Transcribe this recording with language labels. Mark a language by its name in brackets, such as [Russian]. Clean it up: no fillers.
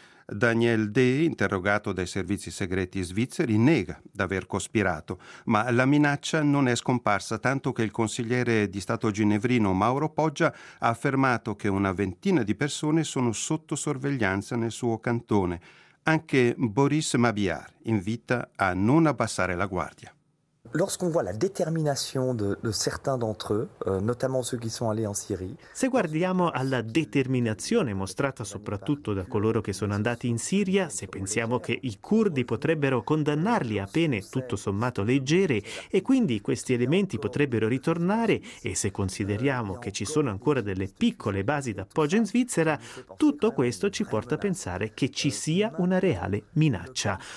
[Italian] Daniel D., interrogato dai servizi segreti svizzeri, nega d'aver cospirato, ma la minaccia non è scomparsa, tanto che il consigliere di Stato ginevrino Mauro Poggia ha affermato che una ventina di persone sono sotto sorveglianza nel suo cantone. Anche Boris Mabillard invita a non abbassare la guardia. [French] Lorsqu'on voit la détermination de certains d'entre eux, notamment ceux qui sont allés en Syrie. [Italian] Se guardiamo alla determinazione mostrata soprattutto da coloro che sono andati in Siria, se pensiamo che i curdi potrebbero condannarli a pene tutto sommato leggere e quindi questi elementi potrebbero ritornare, e se consideriamo che ci sono ancora delle piccole basi d'appoggio in Svizzera, tutto questo ci porta a pensare che ci sia una reale minaccia.